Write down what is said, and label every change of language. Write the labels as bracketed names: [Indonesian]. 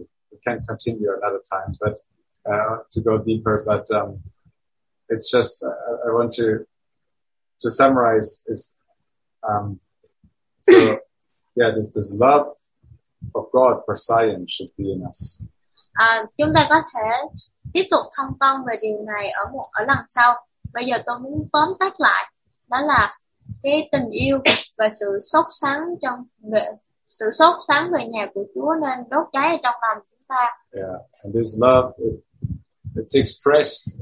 [English] We can continue another time, but to go deeper, but it's just I want to summarize is this love of God for science should be in us. [Vietnamese] Chúng ta có thể tiếp tục thông tâm về điều này ở một ở lần sau. Bây giờ tôi muốn tóm tắt lại đó là cái tình yêu và sự sốt sắng trong về sự sốt sắng về nhà của Chúa nên đốt cháy ở trong lòng chúng ta. [English] Yeah, and this love it's expressed.